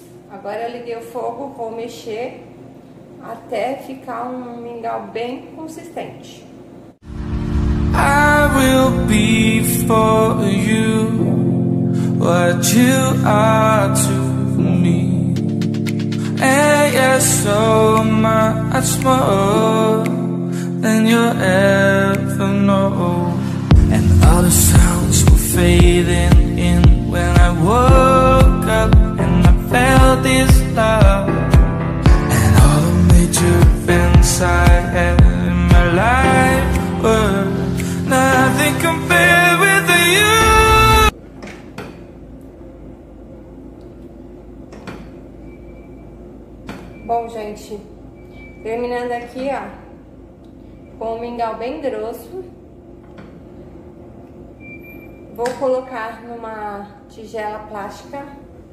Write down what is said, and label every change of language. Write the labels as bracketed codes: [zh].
[pt] Agora eu liguei o fogo, vou mexer até ficar um mingau bem consistente. [en] I will be for you what you are to me. And you're so much more than you'll ever know. And all the sounds were fading in when I woke up. This love and all the major events I had in my life were nothing compared with you. [pt] Bom, gente, terminando aqui, ó, com um mingau bem grosso, vou colocar numa tigela plástica.